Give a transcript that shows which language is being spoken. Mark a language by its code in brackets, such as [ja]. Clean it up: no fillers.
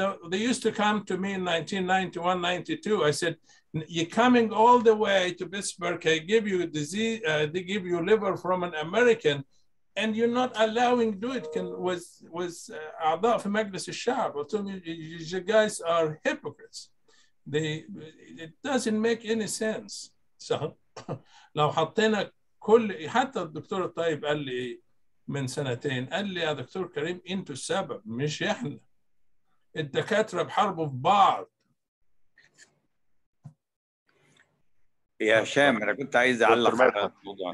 [en] They used to come to me in 1991, 92. I said, you're coming all the way to Pittsburgh, I give you disease, they give you liver from an American, and you're not allowing to do it. Was [ar] في مجلس الشعب. [en] I told you guys are hypocrites. It doesn't make any sense. [ar] So, لو حطينا كل حتى الدكتور الطيب قال لي من سنتين قال لي يا دكتور كريم انت السبب مش احنا. الدكاترة بحربوا في بعض. يا هشام انا كنت عايز اعلق على الموضوع.